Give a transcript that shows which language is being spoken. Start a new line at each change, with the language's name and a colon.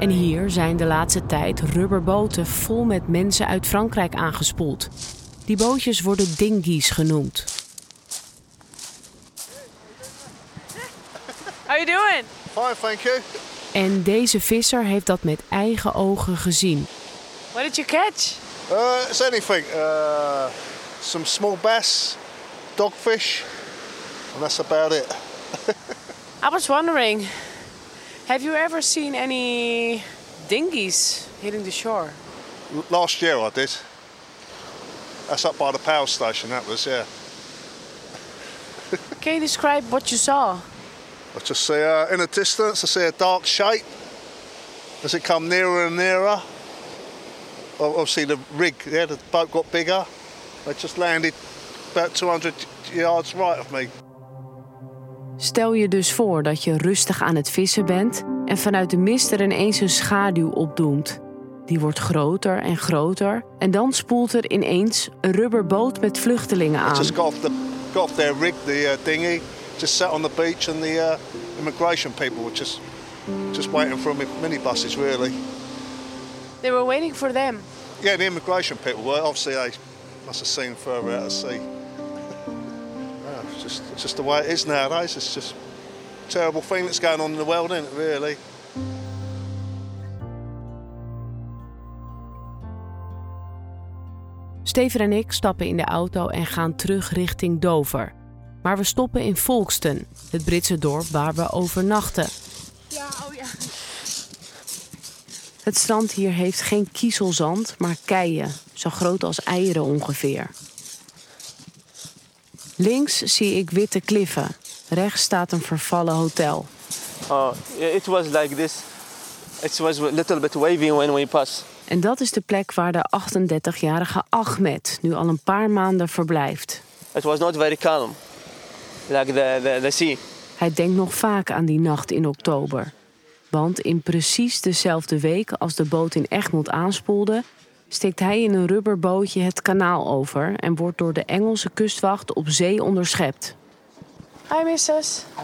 Dutch: En hier zijn de laatste tijd rubberboten vol met mensen uit Frankrijk aangespoeld. Die bootjes worden dinghies genoemd.
English: How are you doing? Fine, thank you.
Dutch: En deze visser heeft dat met eigen ogen gezien.
English: What did you catch? It's anything. Some small bass, dogfish, and that's about it. I was wondering, have you ever seen any dinghies hitting the shore? Last year I did. That's up by the power station, that was, yeah. Can you describe what you saw? I just see, in the distance, I see a dark shape. As it come nearer and nearer, obviously the rig, yeah, the boat got bigger. It just landed about 200 yards right of me.
Dutch: Stel je dus voor dat je rustig aan het vissen bent en vanuit de mist er ineens een schaduw opdoemt. Die wordt groter en groter en dan spoelt er ineens een rubberboot met vluchtelingen aan.
English: I just got off their rig, the dinghy, just sat on the beach and the immigration people were just waiting for minibuses really. They were waiting for them? Yeah, the immigration people were. Obviously they must have seen further out of sea. Just the way it is nowadays. It's just a terrible thing that's going on in the world, isn't it, really?
Dutch: Steven en ik stappen in de auto en gaan terug richting Dover. Maar we stoppen in Folkston, het Britse dorp waar we overnachten. Ja, oh ja. Het strand hier heeft geen kiezelzand, maar keien, zo groot als eieren ongeveer. Links zie ik witte kliffen. Rechts staat een vervallen hotel.
English: Oh, it was like this. It was a little bit wavy when we pass.
Dutch: En dat is de plek waar de 38-jarige Ahmed nu al een paar maanden verblijft.
English: It was not very calm, like the sea.
Dutch: Hij denkt nog vaak aan die nacht in oktober. Want in precies dezelfde week als de boot in Egmond aanspoelde, steekt hij in een rubberbootje het kanaal over en wordt door de Engelse kustwacht op zee onderschept.
English: Hi, missus.